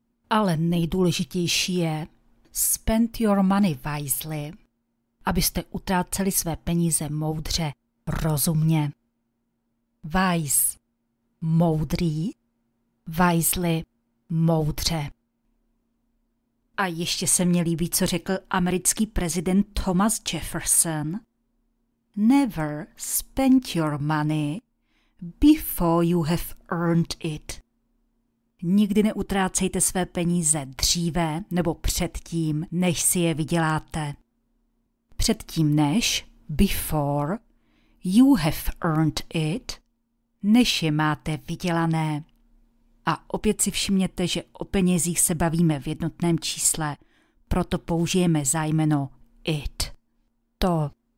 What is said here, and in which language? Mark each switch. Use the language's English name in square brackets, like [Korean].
[Czech] Ale nejdůležitější je [English] spend your money wisely, [Czech] abyste utráceli své peníze moudře, rozumně. Wise, moudrý, wisely, moudře. A ještě se mi líbí, co řekl americký prezident Thomas Jefferson. [English] Never spend your money before you have earned it. [Czech] Nikdy neutrácejte své peníze dříve nebo předtím, než si je vyděláte. Předtím než, [English] before, you have earned it, [Czech] než je máte vydělané. A opět si všimněte, že o penězích se bavíme v jednotném čísle, proto použijeme zájmeno it. To.